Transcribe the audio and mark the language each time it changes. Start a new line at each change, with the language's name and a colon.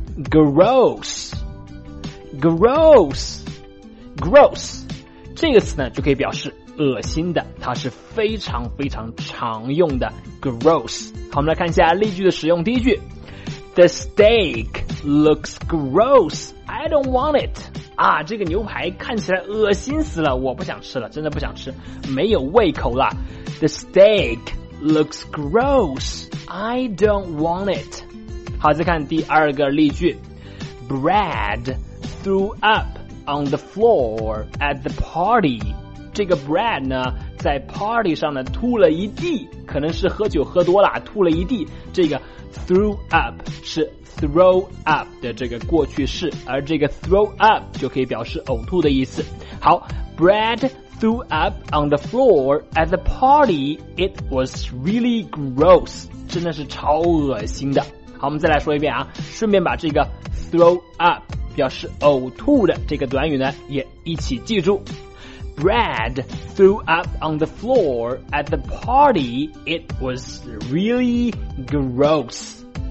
Chinese: Gross 这个词呢就可以表示恶心的，它是非常非常常用的 Gross。好，我们来看一下例句的使用。第一句，
English: The steak looks gross, I don't want it。
Chinese: 啊，这个牛排看起来恶心死了，我不想吃了，真的不想吃，没有胃口了。
English: The steak looks gross, I don't want it。
Chinese: 好，再看第二个例句，
English: Brad threw up on the floor at the party。
Chinese: 这个 Brad 呢在 party 上呢吐了一地，可能是喝酒喝多了吐了一地。这个 threw up 是 throw up 的这个过去式，而这个 throw up 就可以表示呕吐的意思。
English: 好， Brad threw up on the floor at the party, it was really gross,
Chinese: 真的是超恶心的。好，我们再来说一遍啊，顺便把这个 throw up 表示呕吐的这个短语呢也一起记住。
English: Brad threw up on the floor at the party, it was really gross。